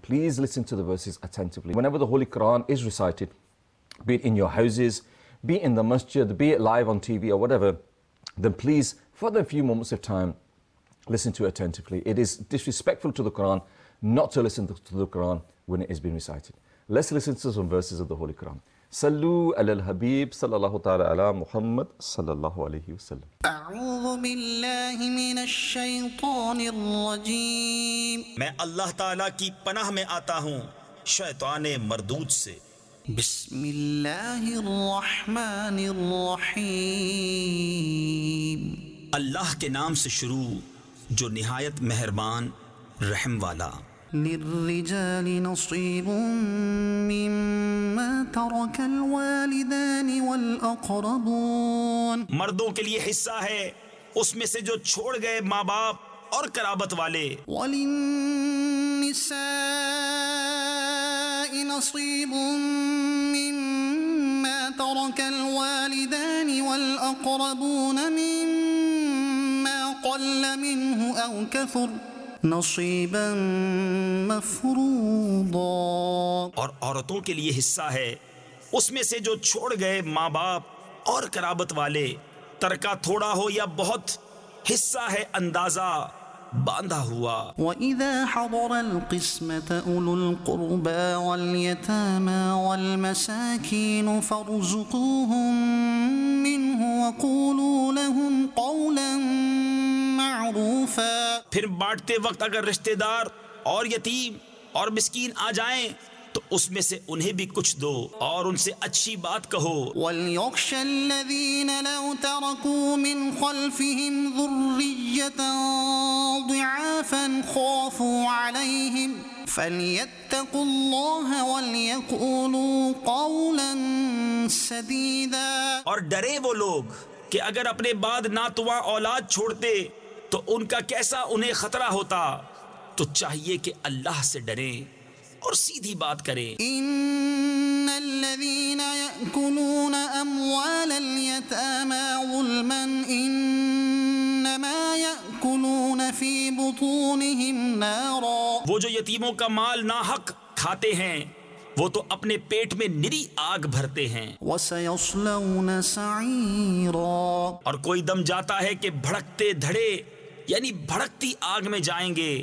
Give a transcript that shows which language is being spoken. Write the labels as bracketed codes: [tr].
[en] Please listen to the verses attentively. Whenever the Holy Quran is recited, be it in your houses, be it in the masjid, be it live on TV or whatever, then please, for the few moments of time, listen to it attentively. It is disrespectful to the Quran not to listen to the Quran when it is being recited. Let's listen to some verses of the Holy Quran. [ar] صلوا على الحبيب صلى الله تعالى على محمد صلى الله عليه وسلم أعوذ بالله من الشيطان الرجيم [ur] میں اللہ تعالی کی پناہ میں آتا ہوں شیطان مردود سے [ar] بسم اللہ الرحمن الرحیم [ur] اللہ کے نام سے شروع جو نہایت مہربان رحم والا [ar] للرجال نصيب مما ترك الوالدان والأقربون [ur] مردوں کے لیے حصہ ہے اس میں سے جو چھوڑ گئے ماں باپ اور قرابت والے [ar] وللنساء نصيب مما ترك الوالدان والأقربون مما قل منه أو كثر نصیبا مفروضا [ur] اور عورتوں کے لیے حصہ ہے اس میں سے جو چھوڑ گئے ماں باپ اور قرابت والے ترکہ تھوڑا ہو یا بہت حصہ ہے اندازہ باندھا ہوا [ar] وَإِذَا حَضَرَ الْقِسْمَةَ أُولُو الْقُرْبَى وَالْيَتَامَى وَالْمَسَاكِينُ فَارْزُقُوهُمْ مِنْهُ وَقُولُوا لَهُمْ قَوْلًا مَعْرُوفًا [ur] پھر بانٹتے وقت اگر رشتہ دار اور یتیم اور مسکین آ جائیں تو اس میں سے انہیں بھی کچھ دو اور ان سے اچھی بات کہو [ar] وَلْيَخْشَ الَّذِينَ لَوْ تَرَكُوا مِنْ خَلْفِهِمْ ذُرِّيَّةً ضِعَافًا خَافُوا عَلَيْهِمْ فَلْيَتَّقُوا اللَّهَ وَلْيَقُولُوا قَوْلًا سَدِيدًا [ur] اور ڈرے وہ لوگ کہ اگر اپنے بعد ناتواں اولاد چھوڑتے تو ان کا کیسا انہیں خطرہ ہوتا تو چاہیے کہ اللہ سے ڈریں اور سیدھی بات کریں [ar] ان الذين ياكلون اموال اليتامى ظلما انما ياكلون في بطونهم نارا [ur] وہ جو یتیموں کا مال ناحق کھاتے ہیں وہ تو اپنے پیٹ میں نری آگ بھرتے ہیں [ar] وسيصلون سعيرا [ur] اور کوئی دم جاتا ہے کہ بھڑکتے دھڑے یعنی بھڑکتی آگ میں جائیں گے۔